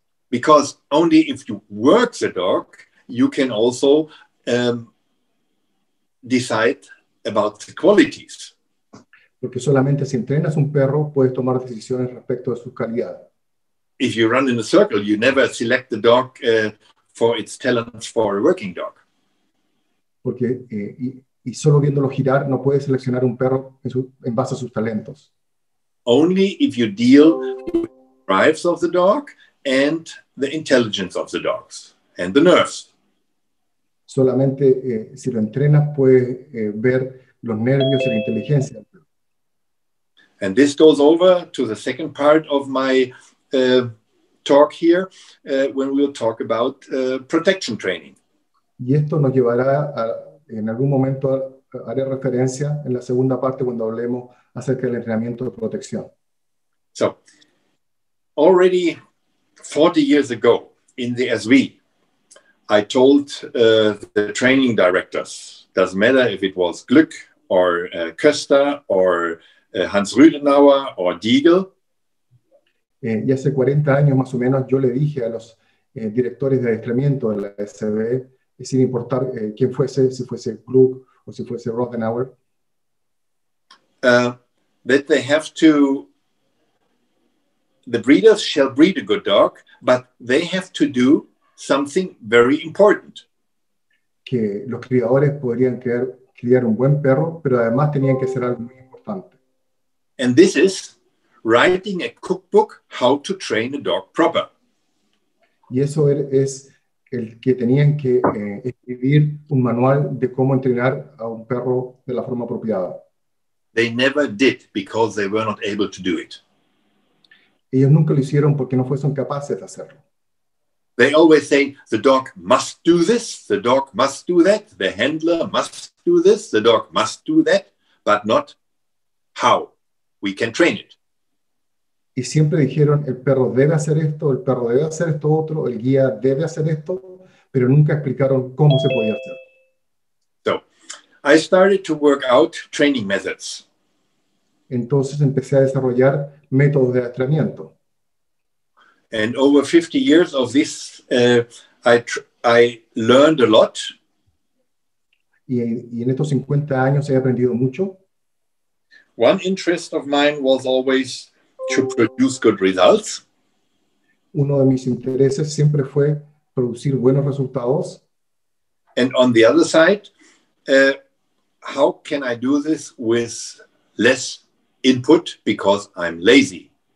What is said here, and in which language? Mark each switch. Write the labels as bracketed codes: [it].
[en] Because only if you work the dog, you can also decide about the qualities. [es] Porque solamente si entrenas un perro, puedes tomar decisiones respecto de sus calidades. [en] If you run in a circle, you never select the dog for its talents for a working dog. [es] Porque y solo viéndolo girar, no puedes seleccionar un perro en base a sus talentos. [en] Only if you deal with the drives of the dog and the intelligence of the dogs and the nerves. [es] Solamente si lo entrenas, puedes ver los nervios y la inteligencia. [en] And this goes over to the second part of my talk here when we'll talk about protection training. [es] Y esto nos llevará a, en algún momento haré referencia en la segunda parte cuando hablemos acerca del entrenamiento de protección. [en] So, already 40 years ago in the SV, I told the training directors, doesn't matter if it was Glück or Köster or Hans Rüdenauer or Diegel. [es] Y hace 40 años más o menos yo le dije a los directores de adiestramiento de la SV, sin importar quién fuese, si fuese Glück o si fuese Rüdenauer, [en] that they have to, the breeders shall breed a good dog, but they have to do something very important. [es] Que los criadores podrían criar un buen perro, pero además tenían que hacer algo muy importante. [en] And this is writing a cookbook how to train a dog proper. [es] Y eso es el que tenían que escribir un manual de cómo entrenar a un perro de la forma apropiada. [en] They never did because they were not able to do it. [es] Ellos nunca lo hicieron porque no fueron capaces de hacerlo. [en] They always say, the dog must do this, the dog must do that, the handler must do this, the dog must do that, but not how we can train it. [es] Y siempre dijeron, el perro debe hacer esto, el perro debe hacer esto otro, el guía debe hacer esto, pero nunca explicaron cómo se podía hacer. [en] So, I started to work out training methods. [es] Entonces empecé a desarrollar métodos de entrenamiento. [en] And over 50 years of this, I learned a lot. [es] Y en estos 50 años he aprendido mucho. [en] One interest of mine was always to produce good results. [es] Uno de mis intereses siempre fue producir buenos resultados. [en] And on the other side, how can I do this with less input because I'm lazy?